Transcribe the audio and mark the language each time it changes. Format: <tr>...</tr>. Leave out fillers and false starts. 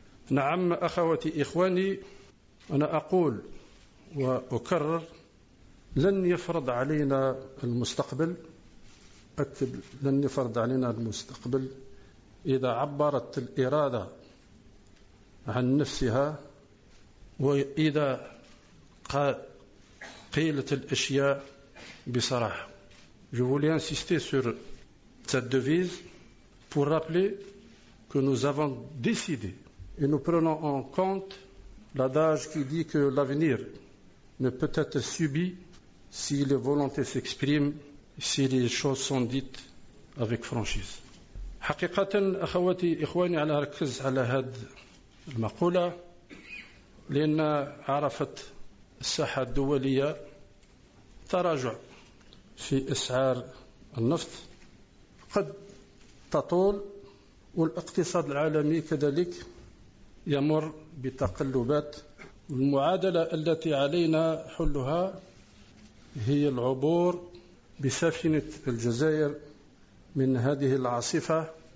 <ar>نعم أخواتي إخواني، أنا أقول وأكرر، لن يفرض علينا المستقبل، أكد لن يفرض علينا المستقبل إذا عبرت الإرادة عن نفسها وإذا قيلت الأشياء بصراحة.</ar> <fr>Je voulais insister sur cette devise pour rappeler que nous avons décidé et nous prenons en compte l'adage qui dit que l'avenir ne peut être subi si les volontés s'expriment, si les choses sont dites avec franchise.</fr> <ar>حقيقة أخواتي إخواني على ركز على هذه المقولة لأن عرفت الساحة الدولية تراجع في أسعار النفط قد تطول والاقتصاد العالمي كذلك يمر بتقلبات المعادلة التي علينا حلها هي العبور بسفينة الجزائر من هذه العاصفة</ar>